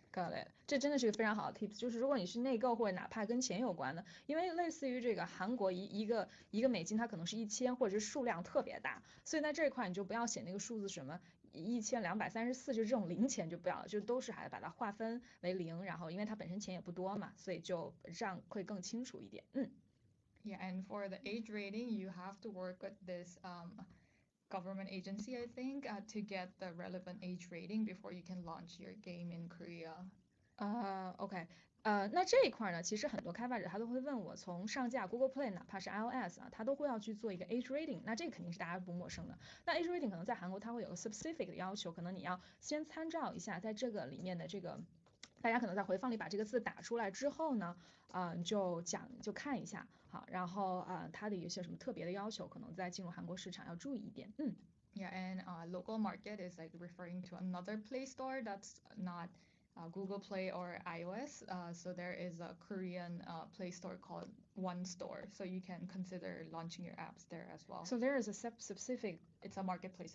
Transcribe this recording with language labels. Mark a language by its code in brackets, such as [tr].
[en] Got it， [zh] 这真的是个非常好的 tips，就是如果你是内购或者哪怕跟钱有关的，因为类似于这个韩国一个美金，它可能是1000或者是数量特别大，所以在这一块你就不要写那个数字什么1234，就这种零钱就不要了，就都是还把它划分为零，然后因为它本身钱也不多嘛，所以就这样会更清楚一点，嗯。 [en] Yeah, and for the age rating, you have to work with this government agency, I think, to get the relevant age rating before you can launch your game in Korea. [zh] OK，那这一块呢，其实很多开发者他都会问我，从上架 Google Play，哪怕是 iOS 啊，他都会要去做一个 age rating，那这肯定是大家不陌生的。那 age rating 可能在韩国它会有个 specific 的要求，可能你要先参照一下，在这个里面的这个，大家可能在回放里把这个字打出来之后呢，就看一下，好，然后它的有些什么特别的要求，可能在进入韩国市场要注意一点，嗯。 [en] Yeah, and local market is like referring to another Play Store that's not Google Play or iOS. So there is a Korean Play Store called One Store. So you can consider launching your apps there as well. So there is a specific. It's a marketplace.